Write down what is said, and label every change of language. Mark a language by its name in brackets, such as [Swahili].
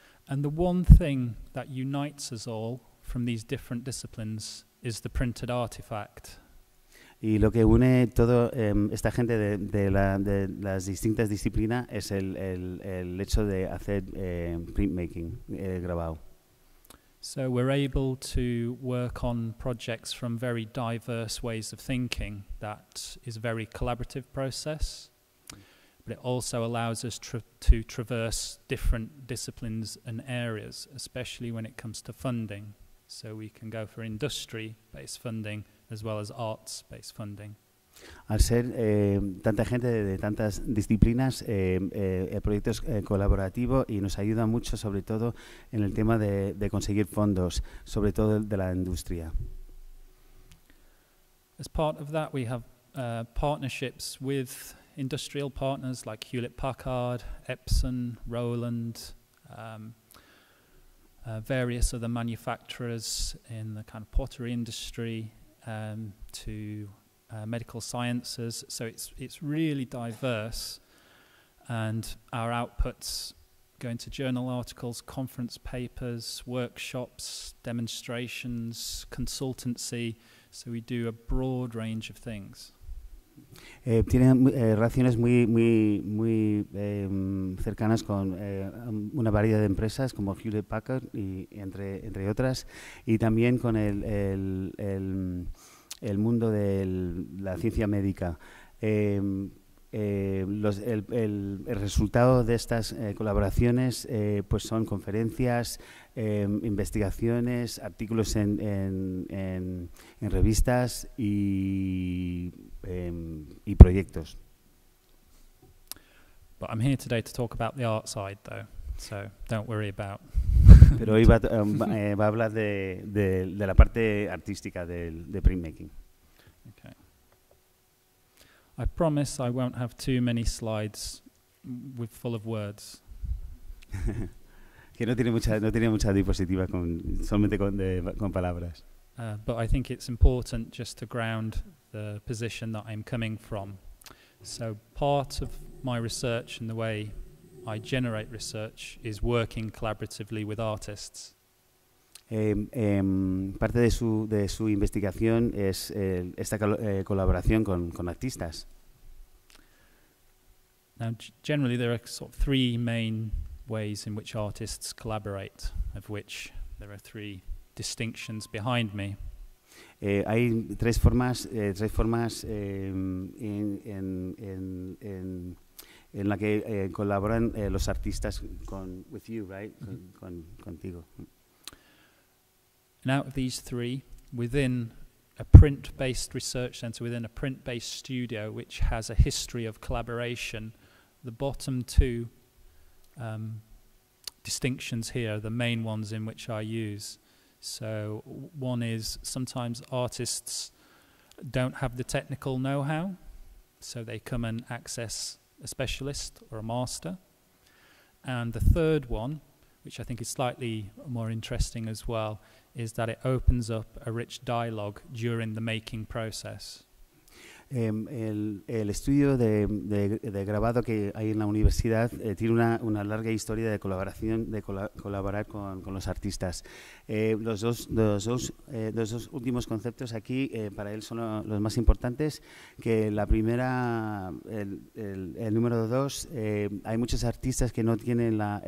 [English] And the one thing that unites us all from these different disciplines is the printed artifact. [Spanish] Y lo que une todo esta gente de las distintas disciplinas es el hecho de hacer printmaking, grabado. [English] So we're able to work on projects from very diverse ways of thinking. That is a very collaborative process, but it also allows us to traverse different disciplines and areas, especially when it comes to funding. So we can go for industry-based funding as well as arts-based funding. [Spanish] Al ser tanta gente de tantas disciplinas, el proyecto es colaborativo y nos ayuda mucho, sobre todo, en el tema de conseguir fondos, sobre todo de la industria. [English] As part of that, we have partnerships with industrial partners like Hewlett-Packard, Epson, Roland, various other manufacturers in the kind of pottery industry, to medical sciences. So it's really diverse, and our outputs go into journal articles, conference papers, workshops, demonstrations, consultancy. So we do a broad range of things. [Spanish] Tienen relaciones muy cercanas con una variedad de empresas como Hewlett-Packard y entre otras, y también con el mundo de la ciencia médica. El resultado de estas colaboraciones pues son conferencias, investigaciones, artículos en revistas y proyectos. [English] But I'm here today to talk about the art side though, so don't worry about. [Spanish] Pero hoy va a hablar de la parte artística de printmaking. [English] I promise I won't have too many slides with full of words. [Spanish] Que no tiene mucha diapositiva solamente con palabras. [English] But I think it's important just to ground the position that I'm coming from. So part of my research and the way I generate research is working collaboratively with artists. [Spanish] Parte de su investigación es esta colaboración con artistas. [English] Now, generally, there are sort of three main ways in which artists collaborate, of which there are three distinctions behind me. [Spanish] Hay tres formas en la que colaboran los artistas con [English] with you, right? [Spanish] Contigo. [English] And out of these three, within a print-based research center, within a print-based studio, which has a history of collaboration. The bottom two distinctions here are the main ones in which I use. So one is sometimes artists don't have the technical know-how, so they come and access a specialist or a master. And the third one, which I think is slightly more interesting as well, is that it opens up a rich dialogue during the making process. [Spanish] El estudio de grabado que hay en la universidad tiene una larga historia de colaboración, colaborar con los artistas. Los dos últimos conceptos aquí para él son los más importantes, que la primera, el número dos, hay muchos artistas que no tienen